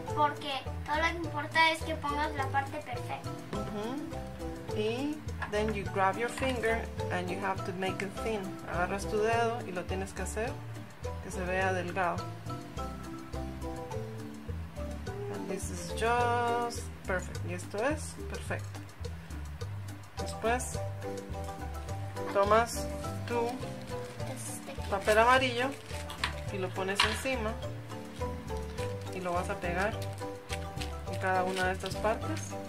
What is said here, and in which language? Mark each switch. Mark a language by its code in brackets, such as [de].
[es] Porque todo lo que importa es que pongas la parte perfecta. Mm-hmm. [en] Y then you grab your finger and you have to make it thin. [es] Agarras tu dedo y lo tienes que hacer que se vea delgado. [en] And this is just perfect. [es] Y esto es perfecto. Después tomas tu papel amarillo y lo pones encima y lo vas a pegar en cada una de estas partes.